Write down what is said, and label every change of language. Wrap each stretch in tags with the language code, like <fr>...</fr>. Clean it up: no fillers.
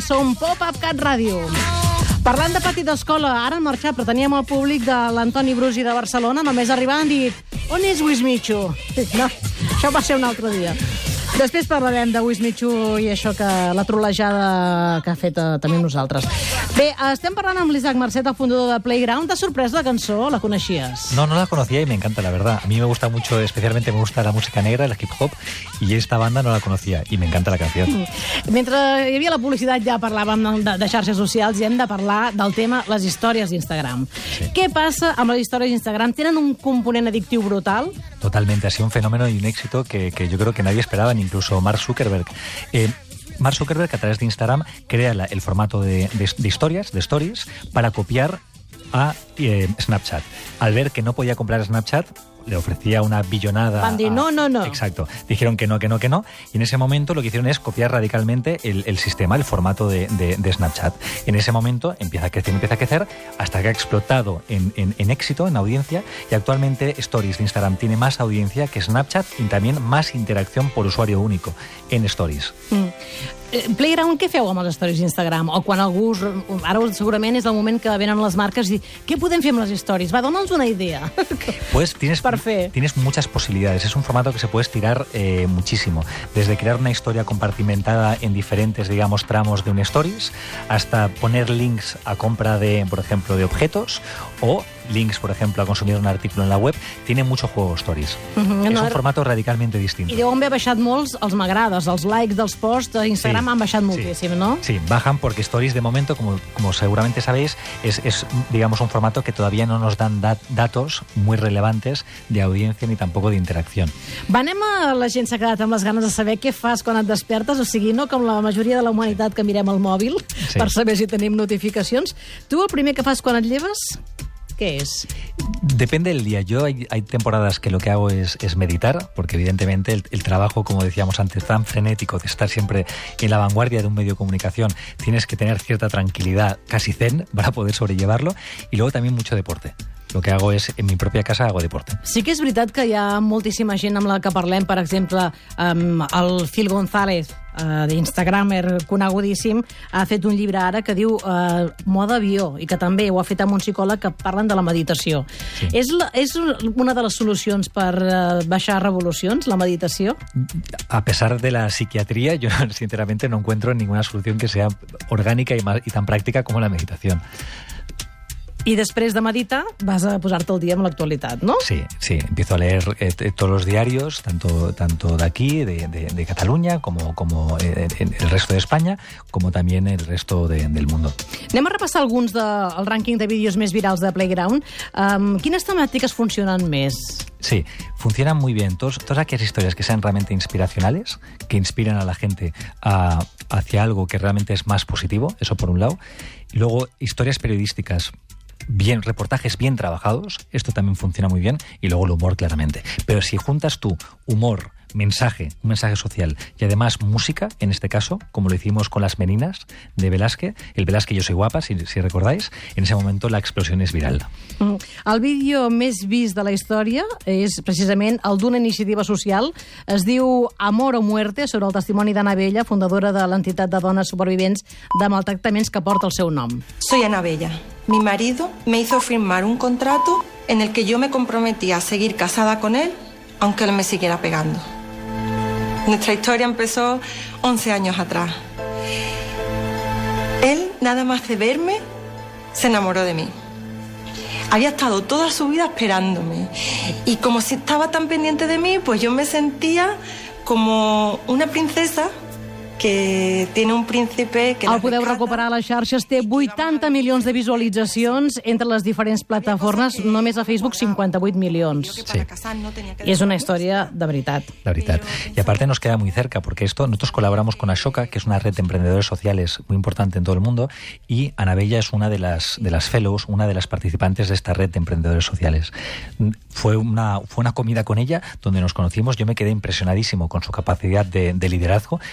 <ca>Som Pop-Up Cat Ràdio. Parlant de pati d'escola, ara han marxat, però teníem el públic de l'Antoni Brusi de Barcelona. Només arribant han dit: on és Lluís Micho? No, això va ser un altre dia. Després parlarem de Wish Me Too i això que la trolejada que ha fet també nosaltres. Bé, estem parlant amb l'Isaac Marcet, el fundador de Playground. T'ha sorprès la cançó? La coneixies?</ca> <es>No la conocía y me encanta, la verdad. A mí me gusta mucho, especialmente me gusta la música negra, el hip hop, y esta banda no la conocía y me encanta la canción.</es> <ca>Mentre hi havia la publicitat ja parlàvem de xarxes socials i hem de parlar del tema les històries d'Instagram. Sí. Què passa amb les històries d'Instagram? Tenen un component addictiu brutal?</ca> <es>Totalmente, ha sido un fenómeno y un éxito que yo creo que nadie esperaba, ni incluso Mark Zuckerberg. Mark Zuckerberg, a través de Instagram, crea el formato de historias, de stories, para copiar a Snapchat. Al ver que no podía comprar Snapchat, le ofrecía una billonada. Exacto. Dijeron que no. Y en ese momento lo que hicieron es copiar radicalmente el sistema, el formato de Snapchat. En ese momento empieza a crecer, hasta que ha explotado en éxito, en audiencia. Y actualmente Stories de Instagram tiene más audiencia que Snapchat y también más interacción por usuario único en Stories.</es> <ca>Playground, què feu amb les stories d'Instagram? O quan algú... Ara segurament és el moment que venen les marques i què podem fer amb les stories? Va, dona'ns una idea.</ca> <es>Pues tienes muchas posibilidades. Es un formato que se puede estirar muchísimo. Desde crear una historia compartimentada en diferentes, digamos, tramos de un stories, hasta poner links a compra de, por ejemplo, de objetos, o links, por ejemplo, a consumir un artículo en la web, tiene mucho juego stories. Uh-huh. Es un formato radicalmente distinto.</es> <ca>I deuen haver baixat molts els m'agrades, els likes dels posts d'Instagram. Sí. Instagram han baixat moltíssim, sí. No?</ca> <es>Sí, bajan porque Stories, de momento, como seguramente sabéis, es digamos, un formato que todavía no nos dan datos muy relevantes de audiencia ni tampoco de interacción.</es> <ca>Va, anem a la gent s'ha quedat amb les ganes de saber què fas quan et despertes, o sigui, no com la majoria de la humanitat que mirem el mòbil, sí, per saber si tenim notificacions. Tu el primer que fas quan et lleves, què és?</ca> <es>Depende del día. Yo hay temporadas que lo que hago es meditar, porque evidentemente el trabajo, como decíamos antes, tan frenético, de estar siempre en la vanguardia de un medio de comunicación, tienes que tener cierta tranquilidad, casi zen, para poder sobrellevarlo. Y luego también mucho deporte. Lo que hago es, en mi propia casa, hago deporte.</es> <ca>Sí que és veritat que hi ha moltíssima gent amb la que parlem, per exemple, el Phil González, d'Instagramer conegudíssim, ha fet un llibre ara que diu Moda Avió, i que també ho ha fet amb un psicòleg que parlen de la meditació. Sí. És una de les solucions per baixar revolucions, la meditació?</ca> <es>A pesar de</es> <ca>la psiquiatria, jo sincerament</ca> <es>no encuentro ninguna</es> <ca>solució</ca> <es>que sea</es> <ca>orgànica i tan pràctica com la meditació. I després de meditar, vas a posar-te al dia amb l'actualitat, no? Sí, sí.</ca> <es>Empiezo a leer todos los diarios, tanto de aquí, de Cataluña, como el resto de España, como también el resto del mundo.</es> <ca>Anem a repassar alguns del rànquing de vídeos més virals de Playground. Quines temàtiques funcionen més?</ca> <es>Sí, funcionan muy bien. Todas aquellas historias que sean realmente inspiracionales, que inspiren a la gente hacia algo que realmente es más positivo, eso por un lado. Y luego, historias periodísticas, bien, reportajes bien trabajados, esto también funciona muy bien, y luego el humor, claramente. Pero si juntas tú humor, mensaje, un mensaje social, y además música, en este caso, como lo hicimos con Las Meninas, de Velázquez, el Velázquez Yo Soy Guapa, si recordáis, en ese momento la explosión es viral.</es> <ca>El vídeo més vist de la història és precisament el d'una iniciativa social, es diu Amor o Muerte, sobre el testimoni d'Ana Bella, fundadora de l'entitat de dones supervivents de maltractaments que porta el seu nom.</ca> <es>Soy Ana Bella. Mi marido me hizo firmar un contrato en el que yo me comprometía a seguir casada con él aunque él me siguiera pegando. Nuestra historia empezó 11 años atrás. Él, nada más de verme, se enamoró de mí. Había estado toda su vida esperándome. Y como si estaba tan pendiente de mí, pues yo me sentía como una princesa que tiene un príncipe que...</es> <ca>El podeu recuperar a les xarxes, té 80 milions de visualitzacions entre les diferents plataformes, només a Facebook 58 milions. Sí. I és una història de veritat. De veritat.</ca> <es>I aparte nos queda muy cerca, porque esto, nosotros colaboramos con Ashoka, que es una red de emprendedores sociales muy importante en todo el mundo, y Ana Bella es una de las fellows, una de las participantes de esta red de emprendedores sociales. Fue una comida con ella donde nos conocimos, yo me quedé impresionadísimo con su capacidad de liderazgo.</es>